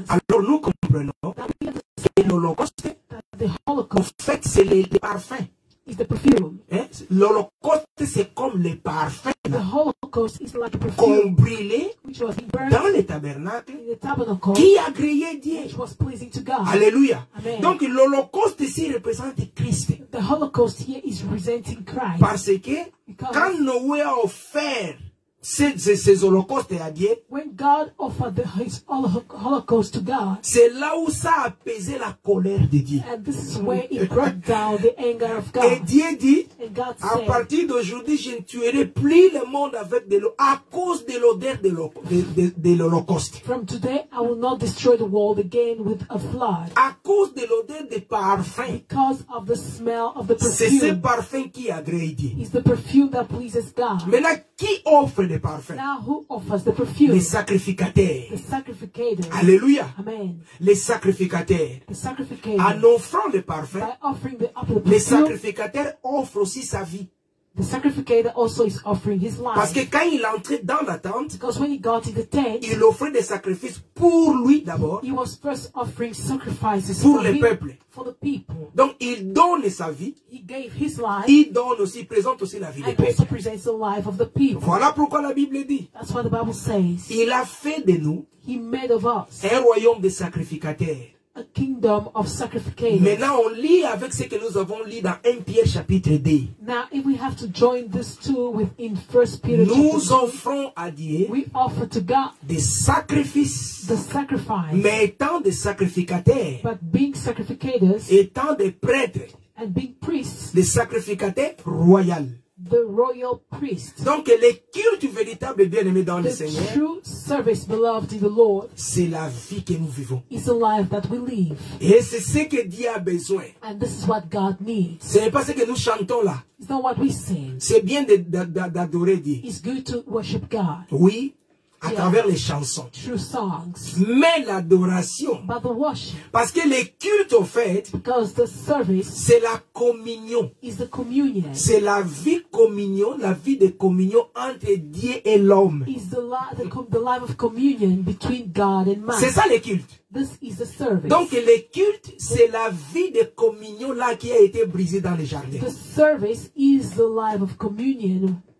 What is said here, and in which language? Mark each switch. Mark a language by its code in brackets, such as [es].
[fr] alors nous comprenons que l'holocauste, [en] the holocaust, [fr] en fait, c'est le parfum. [en] Is the perfume. [fr] Hein? L'holocauste, c'est comme le parfum. [en] The holocaust is like a perfume. [fr] Qu'on brûlait, [en] which was burned [fr] dans le tabernacle. [en] In the tabernacle. [fr] Qui agréait Dieu. [en] Which was pleasing to God. [fr] Alléluia. [en] Amen. [fr] Donc l'holocauste ici représente Christ. [en] The holocaust here is representing Christ. [fr] Parce que [en] because [fr] quand Noé a offert ces holocaustes à Dieu, [en] when God offered his holocaust to God, [fr] c'est là où ça a apaisé la colère de Dieu. [en] And this is where it brought down the anger of God. [fr] Et Dieu dit, [en] and God [fr] à [en] said, [fr] partir d'aujourd'hui, je ne tuerai plus le monde avec de l'eau à cause de l'odeur de l'holocauste. [en] From today, I will not destroy the world again with a flood. [fr] À cause de l'odeur des parfums. [en] Because of the smell of the perfume. [fr] C'est ce parfum qui agrée Dieu. [en] It's the perfume that pleases God. [fr] Maintenant, qui offre les parfums? [en] Now who offers the perfume? [fr] Les sacrificateurs. [en] The sacrificators. [fr] Alléluia. [en] Amen. [fr] Les sacrificateurs. [en] The sacrificators. [fr] En offrant les parfums, [en] by offering the perfume, [fr] les sacrificateurs offrent aussi sa vie. [en] The sacrificator also is offering his life. [fr] Parce que quand il entrait dans la tente, [en] because when he got in the tent, [fr] il offrait des sacrifices pour lui d'abord. [en] He was first offering sacrifices [fr] pour le peuple. [en] For the people. [fr] Donc il donne sa vie. [en] He gave his life. [fr] Il donne aussi, il présente aussi la vie des peuples. [en] And also presents the life of the people. [fr] Voilà pourquoi la Bible dit. [en] That's what the Bible says. [fr] Il a fait de nous. [en] He made of us. [fr] Un royaume de sacrificateurs. [en] A kingdom of sacrifices. [fr] Maintenant, on lit avec ce que nous avons lu dans 1 Pierre chapitre 2. [en] Now, if we have to join these two within 1 Peter, [fr] nous offrons à Dieu, [en] we offer to God [fr] des sacrifices, [en] the sacrifice, [fr] mais étant des sacrificateurs, [en] but being sacrificators, [fr] étant des prêtres, [en] and being priests, [fr] des sacrificateurs royaux. [en] The royal priest. [fr] Donc le culte véritable bien aimé dans [en] the [fr] le Seigneur, [en] true service beloved in the Lord, [fr] c'est la vie que nous vivons. [en] Is the life that we live. [fr] Et c'est ce que Dieu a besoin. [en] And this is what God needs. [fr] Ce n'est pas ce que nous chantons là. [en] It's not what we sing. [fr] C'est bien d'adorer Dieu. [en] It's good to worship God. [fr] Oui, à travers les chansons. [en] True songs. [fr] Mais l'adoration. [en] But the worship. [fr] Parce que le culte au fait. [en] Because the service. [fr] C'est la communion. [en] Is the communion. [fr] C'est la vie communion, la vie de communion entre Dieu et l'homme. [en] Is the life of communion between God and man. [fr] C'est ça le culte. [en] This is the service. [fr] Donc le culte, c'est la vie de communion là qui a été brisée dans le jardin. [en] The service is the life of communion.